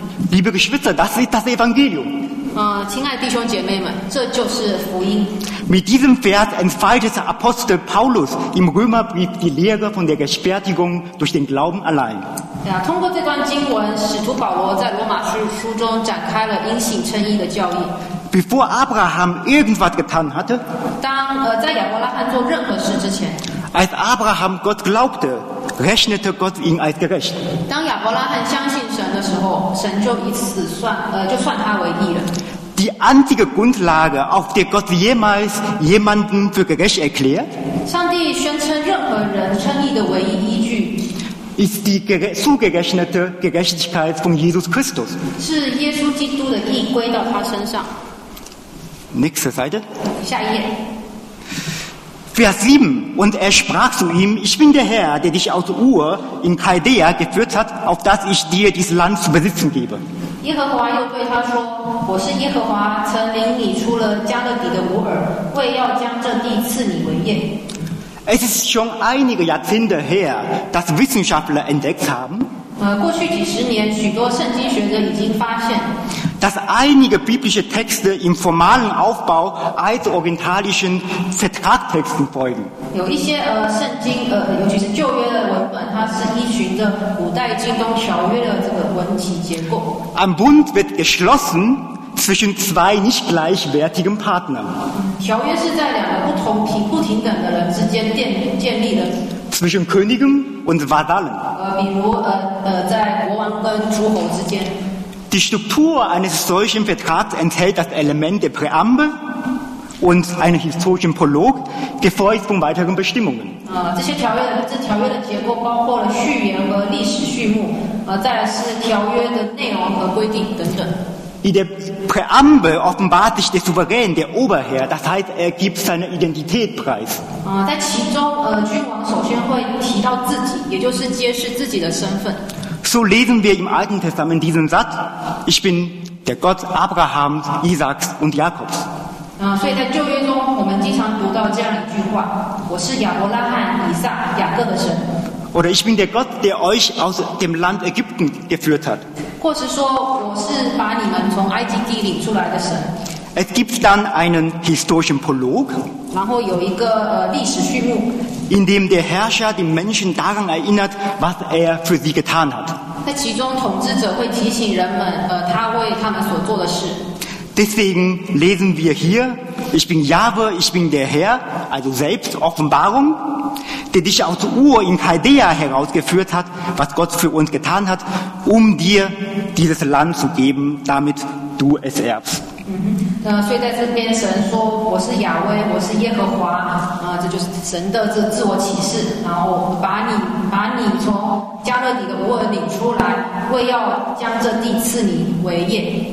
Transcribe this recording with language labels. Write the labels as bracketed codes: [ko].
[de] Liebe Geschwister, das ist das Evangelium. [zh] 亲爱弟兄姐妹们，这就是福音。 [de] Mit diesem Vers entfaltet Apostel Paulus im Römerbrief die Lehre von der Gerechtfertigung durch den Glauben allein. [zh] 通过这段经文，使徒保罗在罗马书中展开了因信称义的教义。 [de] Bevor Abraham irgendwas getan hatte, [zh] 在亚伯拉罕做任何事之前， [de] als Abraham Gott glaubte, rechnete Gott ihn als gerecht. [zh] 当亚伯拉罕相信神的时候，神就以此就算他为义了。 [de] Die einzige Grundlage, auf der Gott jemals jemanden für gerecht erklärt, [zh] 上帝宣称任何人称义的唯一依据。 [de] Ist die zugerechnete Gerechtigkeit von Jesus Christus. [zh] 是耶稣基督的义归到他身上。 [de] Nächste Seite. [zh] 下一页。 [de] Vers 7. Und er sprach zu ihm: Ich bin der Herr, der dich aus Ur in Chaldea geführt hat, auf dass ich dir dieses Land zu besitzen gebe. [zh] 耶和华又对他说：我是耶和华，曾领你出了加勒底的乌尔，为要将这地赐你为业。 [de] Es ist schon einige Jahrzehnte her, dass Wissenschaftler entdeckt haben, [zh] 过去几十年，许多圣经学者已经发现， [de] dass einige biblische Texte im formalen Aufbau als orientalischen Vertragstexten folgen. [zh] 有一些圣经尤其是旧约的文本，它是依循着古代京东条约的这个文体结构。 [de] Ein Bund wird geschlossen zwischen zwei nicht gleichwertigen Partnern. [zh] 条约是在两个不平等的人之间建立的。 [de] Zwischen Königen und Vasallen. [zh] 比如在国王跟诸侯之间。 [de] Die Struktur eines solchen Vertrags enthält das Element der Präambel und einen historischen Prolog, gefolgt von weiteren Bestimmungen. [zh] 这条约的结构包括了序言和历史序幕，再来是条约的内容和规定等等。 [de] In der Präambel offenbart sich der Souverän, der Oberherr, das heißt, er gibt seine Identität preis. [zh] 在其中，君王首先会提到自己，也就是揭示自己的身份。 [de] So lesen wir im Alten Testament diesen Satz: Ich bin der Gott Abrahams, Isaaks und Jakobs. [zh] 所以在旧约中，我们经常读到这样一句话：我是亚伯拉罕、以撒、雅各的神。 [de] Oder ich bin der Gott, der euch aus dem Land Ägypten geführt hat. [zh] 或是说，我是把你们从埃及地领出来的神。 [de] Es gibt dann einen historischen Prolog, [zh] 然后有一个历史序幕， [de] in dem der Herrscher die Menschen daran erinnert, was er für sie getan hat. [zh] 在其中，统治者会提醒人们，他为他们所做的事。 [de] Deswegen lesen wir hier: Ich bin Jahwe, ich bin der Herr, also selbst Offenbarung, der dich aus Ur in Chaldea herausgeführt hat, was Gott für uns getan hat, um dir dieses Land zu geben, damit du es erbst. [zh] 所以在这边神说：我是亚威，我是耶和华，这就是神的这自我启示，然后把你从加勒底的乌尔领出来，为要将这地赐你为业。